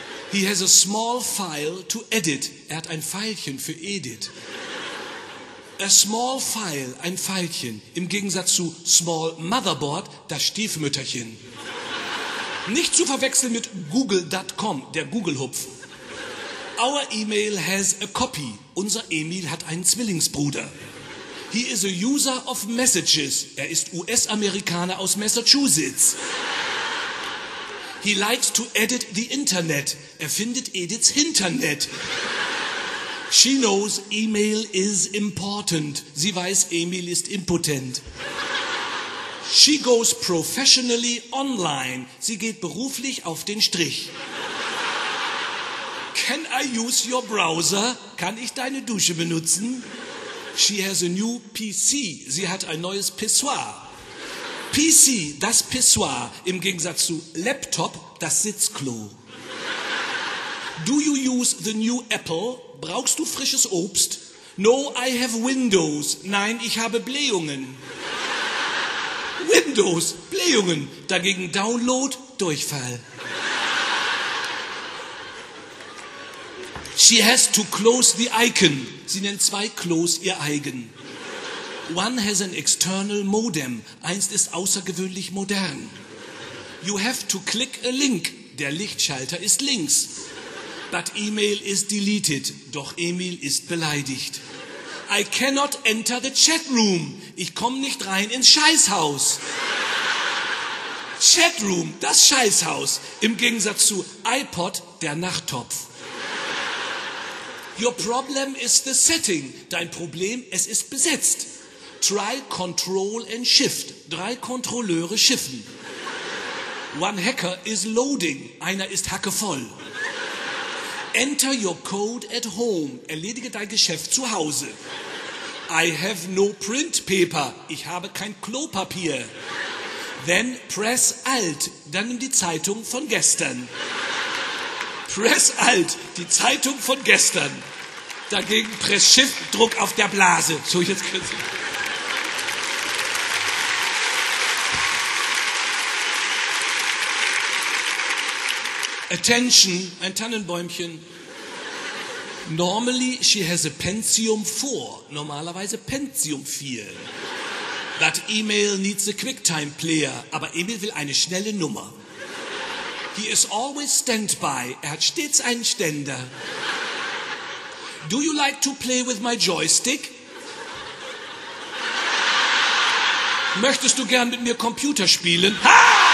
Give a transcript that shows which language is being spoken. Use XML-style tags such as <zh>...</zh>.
<en>He has a small file to edit.</en> <de>Er hat ein Pfeilchen für Edit.</de> <en>A small file,</en> <de>ein Pfeilchen. Im Gegensatz zu small motherboard, das Stiefmütterchen. Nicht zu verwechseln mit google.com, der Google-Hupf.</de> <en>Our email has a copy.</en> <de>Unser Emil hat einen Zwillingsbruder.</de> <en>He is a user of messages.</en> <de>Er ist US-Amerikaner aus Massachusetts.</de> <en>He likes to edit the internet.</en> <de>Er findet Ediths Internet.</de> <en>She knows email is important.</en> <de>Sie weiß, Emil ist impotent.</de> <en>She goes professionally online.</en> <de>Sie geht beruflich auf den Strich.</de> <en>Can I use your browser?</en> <de>Kann ich deine Dusche benutzen?</de> <en>She has a new PC.</en> <de>Sie hat ein neues Pissoir. PC, das Pissoir. Im Gegensatz zu Laptop, das Sitzklo.</de> <en>Do you use the new Apple?</en> <de>Brauchst du frisches Obst?</de> <en>No, I have Windows.</en> <de>Nein, ich habe Blähungen. Windows, Blähungen. Dagegen Download, Durchfall.</de> <en>She has to close the icon.</en> <de>Sie nennt zwei Klos ihr eigen.</de> <en>One has an external modem.</en> <de>Eins ist außergewöhnlich modern.</de> <en>You have to click a link.</en> <de>Der Lichtschalter ist links.</de> <en>But email is deleted.</en> <de>Doch Emil ist beleidigt.</de> <en>I cannot enter the chat room.</en> <de>Ich komme nicht rein ins Scheißhaus. Chatroom, das Scheißhaus. Im Gegensatz zu iPod, der Nachttopf.</de> <en>Your problem is the setting.</en> <de>Dein Problem, es ist besetzt.</de> <en>Try control and shift.</en> <de>Drei Kontrolleure schiffen.</de> <en>One hacker is loading.</en> <de>Einer ist hackevoll.</de> <en>Enter your code at home.</en> <de>Erledige dein Geschäft zu Hause.</de> <en>I have no print paper.</en> <de>Ich habe kein Klopapier.</de> <en>Then press alt.</en> <de>Dann nimm die Zeitung von gestern.</de> <en>Press alt.</en> <de>Die Zeitung von gestern. Dagegen press Shift, Druck auf der Blase. So, jetzt kriegst du. Attention, ein Tannenbäumchen.</de> <en>Normally she has a Pentium 4.</en> <de>Normalerweise Pentium 4.</de> <en>That email needs a QuickTime player.</en> <de>Aber Emil will eine schnelle Nummer.</de> <en>He is always standby.</en> <de>Er hat stets einen Ständer.</de> <en>Do you like to play with my joystick?</en> <de>Möchtest du gern mit mir Computer spielen? Ha!</de>